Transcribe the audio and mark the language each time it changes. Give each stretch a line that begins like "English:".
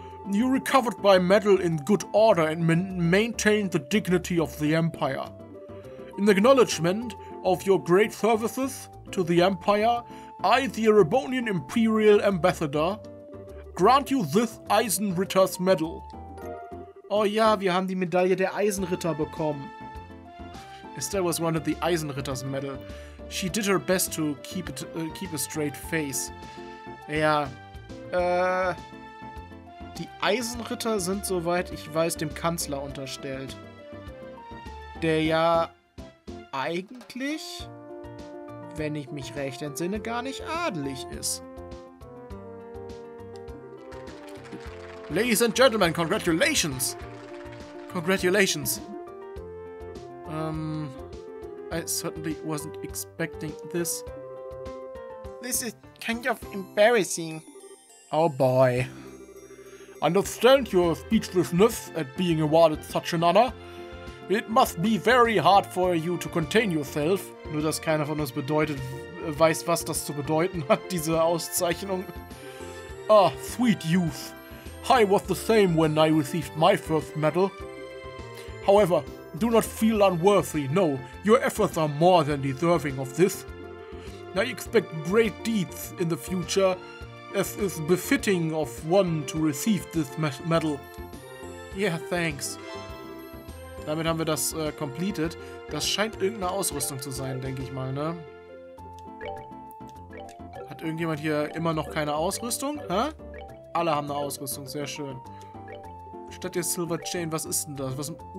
English: You recovered my medal in good order and maintained the dignity of the Empire. In acknowledgement of your great services to the Empire, I, the Erebonian Imperial Ambassador, grant you this Eisenritter's Medal.
German: Oh ja, wir haben die Medaille der Eisenritter bekommen.
English: Estelle was wanted the Eisenritter's Medal. She did her best to keep it, keep a straight face.
German: Ja. Die Eisenritter sind, soweit ich weiß, dem Kanzler unterstellt. Der ja eigentlich, wenn ich mich recht entsinne, gar nicht adelig ist.
English: Ladies and Gentlemen, congratulations! Congratulations! I certainly wasn't expecting this. This is kind of embarrassing. Oh boy. Understand your speechlessness at being awarded such an honor. It must be very hard for you to contain yourself.
German: Nur dass keiner von uns bedeutet, weiß, was das zu bedeuten hat, diese Auszeichnung.
English: Ah, sweet youth. I was the same when I received my first medal. However, do not feel unworthy. No, your efforts are more than deserving of this. I expect great deeds in the future, as is befitting of one to receive this medal. Yeah, thanks.
German: Damit haben wir das completed. Das scheint irgendeine Ausrüstung zu sein, denke ich mal, ne? Hat irgendjemand hier immer noch keine Ausrüstung? Hä? Alle haben eine Ausrüstung, sehr schön. Statt der Silver Chain, was ist denn das?